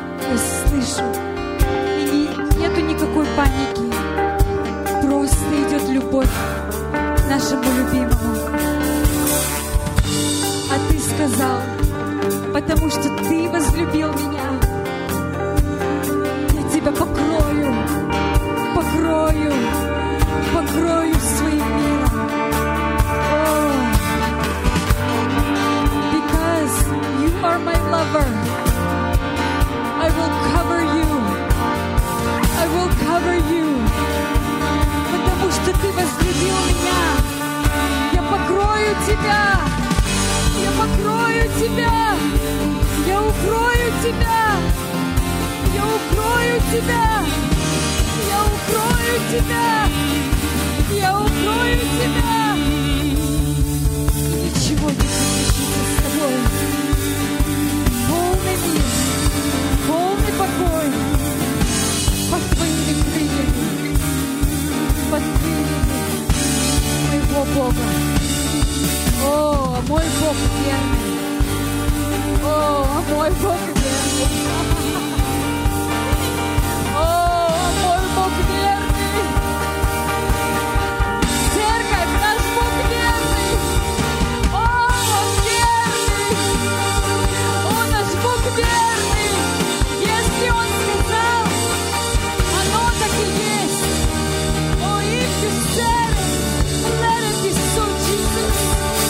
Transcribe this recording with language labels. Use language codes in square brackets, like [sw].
[ru] Я слышу, и нету никакой паники, просто идет любовь к нашему любимому. А Ты сказал, потому что Ты возлюбил меня, я Тебя покрою, покрою, покрою своим миром. [en] Because you are my lover, I will cover you, I will cover you. [ru] Потому что Ты возлюбил меня, я покрою Тебя. Я покрою Тебя, я укрою Тебя, я укрою Тебя, я укрою Тебя, я укрою Тебя. И ничего не случится с тобой. Полный мир, полный покой под Твоими крыльями, под крыльями моего Бога. О, а мой Бог верный. О, а мой Бог верный. О, а мой Бог верный. Церковь, наш Бог верный. О, Он верный. О, наш Бог верный. Если Он сказал, оно так и есть. [en] О, if you said it, let it be so.